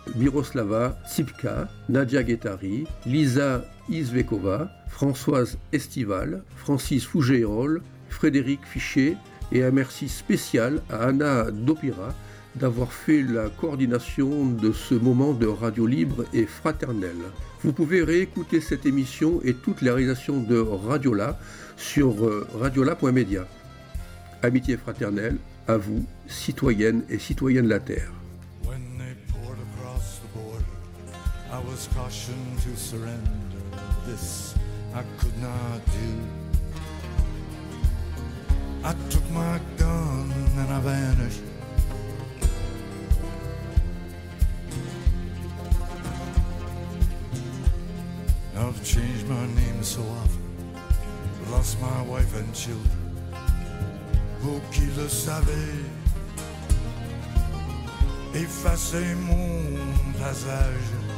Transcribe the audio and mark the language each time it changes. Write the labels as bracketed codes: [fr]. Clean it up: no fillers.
[fr] Miroslava Tsipka, Nadia Guettari, Lisa Izvekova, Françoise Estival, Francis Fougérol, Frédéric Fichet, et un merci spécial à Anna Dopira, d'avoir fait la coordination de ce moment de radio libre et fraternel. Vous pouvez réécouter cette émission et toutes les réalisations de Radiola sur radiola.media. Amitié fraternelle, à vous, citoyennes et citoyens de la Terre. [en] When they poured across the border, I was cautioned to surrender. This I could not do. I took my gun and I vanished. I've changed my name so often, lost my wife and children. [fr] Pour qui le savait, effacer mon passage.